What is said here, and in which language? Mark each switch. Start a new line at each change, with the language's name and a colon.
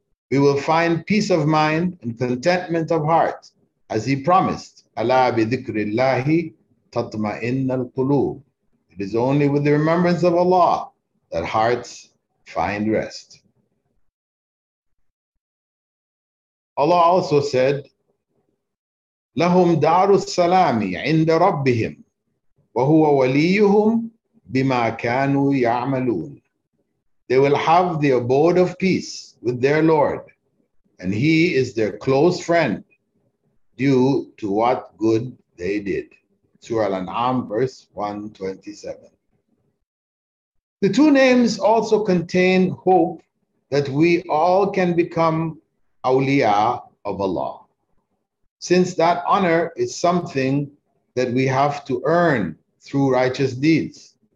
English: We will find peace of mind and contentment of heart, as he promised,
Arabic: Allah bi dhikrillahi tatma'in al qulub.
English: It is only with the remembrance of Allah that hearts find rest. Allah also said,
Arabic: لَهُمْ دَارُ السَّلَامِ عِنْدَ رَبِّهِمْ وَهُوَ وَلِيُّهُمْ بِمَا كَانُوا يَعْمَلُونَ.
English: They will have the abode of peace with their Lord, and he is their close friend due to what good they did. Surah Al-An'am, verse 127. The two names also contain hope that we all can become awliya of Allah, since that honor is something that we have to earn through righteous deeds.